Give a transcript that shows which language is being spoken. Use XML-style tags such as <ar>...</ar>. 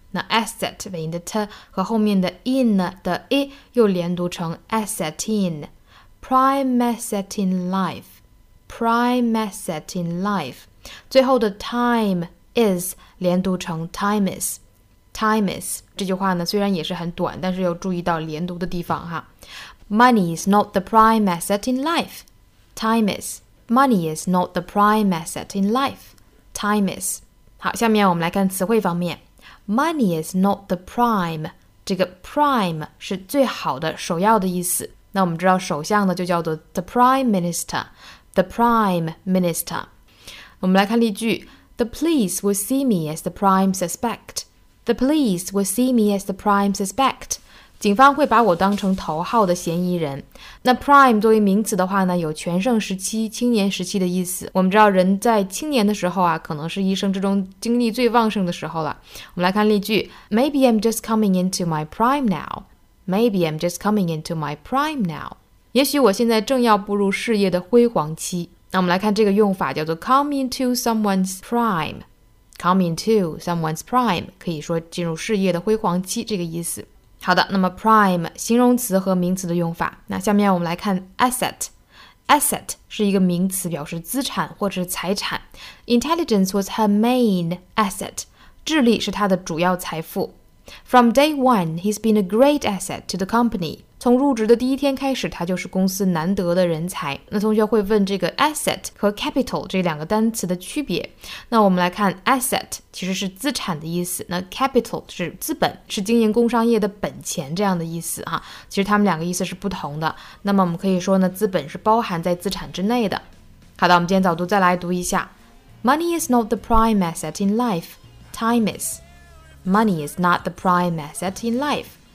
<zh>那 asset 尾音的 t 和后面的 in 的 i 又连读成 asset in.</zh> <en>Prime asset in life. Prime asset in life.</en> <zh>最后的</zh> <en>time is</en> <zh>连读成</zh> <en>time is. Time is.</en> <zh>这句话呢虽然也是很短，但是要注意到连读的地方哈。</zh> <en>Money is not the prime asset in life. Time is. Money is not the prime asset in life. Time is.</en> <zh>好，下面我们来看词汇方面。</zh> <en>Money is not the prime.</en> <zh>这个 prime 是最好的，首要的意思。那我们知道首相呢就叫做 the prime minister. The prime minister. 我们来看例句。</zh> <en>The police will see me as the prime suspect. The police will see me as the prime suspect.</en> <zh>警方会把我当成头号的嫌疑人。那 prime 作为名词的话呢，有全盛时期、青年时期的意思。我们知道人在青年的时候啊，可能是一生之中精力最旺盛的时候了。我们来看例句。</zh> <en>Maybe I'm just coming into my prime now. Maybe I'm just coming into my prime now.</en> <zh>也许我现在正要步入事业的辉煌期。那我们来看这个用法叫做 come into someone's prime. Come into someone's prime, 可以说进入事业的辉煌期这个意思。好的，那么 prime, 形容词和名词的用法。那下面我们来看 asset。 Asset 是一个名词，表示资产或者是财产。</zh> <en>Intelligence was her main asset, 智力是她的主要财富。 From day one, he's been a great asset to the company.</en> <zh>从入职的第一天开始，他就是公司难得的人才。那同学会问这个 asset 和 capital 这两个单词的区别。那我们来看 asset 其实是资产的意思，那 capital 是资本，是经营工商业的本钱这样的意思哈。其实他们两个意思是不同的。那么我们可以说呢，资本是包含在资产之内的。好的，我们今天早读再来读一下。</zh> <en>Money is not the prime asset in life. Time is. Money is not the prime asset in life.</en>